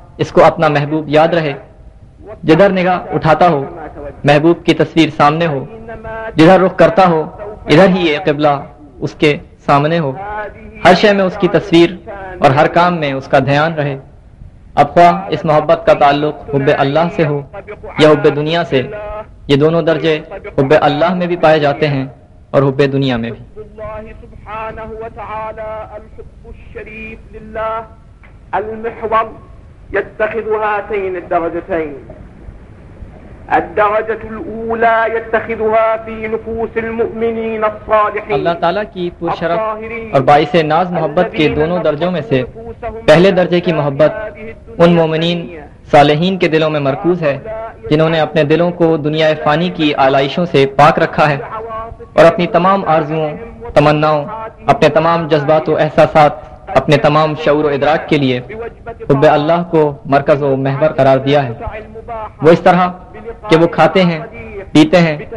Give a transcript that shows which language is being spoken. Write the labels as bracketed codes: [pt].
[ur] اس کو اپنا محبوب یاد رہے، جدھر نگاہ اٹھاتا ہو محبوب کی تصویر سامنے ہو، جدھر رخ کرتا ہو ادھر ہی یہ قبلہ اس کے سامنے ہو، ہر شے میں اس کی تصویر اور ہر کام میں اس کا دھیان رہے، اب خواہ اس محبت کا تعلق حب اللہ سے ہو یا حب دنیا سے، یہ دونوں درجے حب اللہ میں بھی پائے جاتے ہیں اور حب دنیا میں بھی۔ [ar] اللہ سبحانہ وتعالی الحب الشریف للہ المحور يتخذ هاتين الدرجتين، الدرجة الأولى يتخذها في نفوس المؤمنين الصالحين، [ur] اللہ تعالیٰ کی پرشرف اور باعث ناز محبت کے دونوں درجوں میں سے پہلے درجے کی محبت ان مومنین صالحین کے دلوں میں مرکوز ہے جنہوں نے اپنے دلوں کو دنیا فانی کی آلائشوں سے پاک رکھا ہے اور اپنی تمام آرزوؤں تمناؤں اپنے تمام جذبات و احساسات اپنے تمام شعور و ادراک کے لیے حب اللہ کو مرکز و محور قرار دیا ہے۔ وہ اس طرح کہ وہ کھاتے ہیں پیتے ہیں